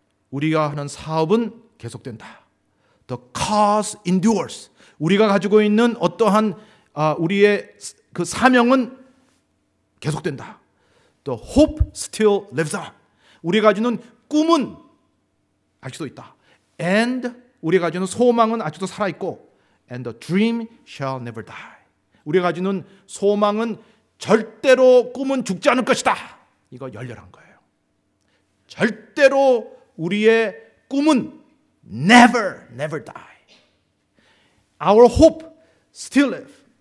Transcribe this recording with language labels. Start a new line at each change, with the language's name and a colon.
Korean: 우리가 하는 사업은 계속된다.
English: The cause endures.
Korean: 우리가 가지고 있는 어떠한 우리의 그 사명은 계속된다.
English: The hope still lives on.
Korean: 우리가 가지는 꿈은 아직도 있다.
English: And
Korean: 우리가 가지는 소망은 아직도 살아있고
English: And the dream shall never die.
Korean: 우리가 가지는 소망은 절대로 꿈은 죽지 않을 것이다. 이거 열렬한 거예요. 절대로 우리의 꿈은
English: never, never die. Our hope still live.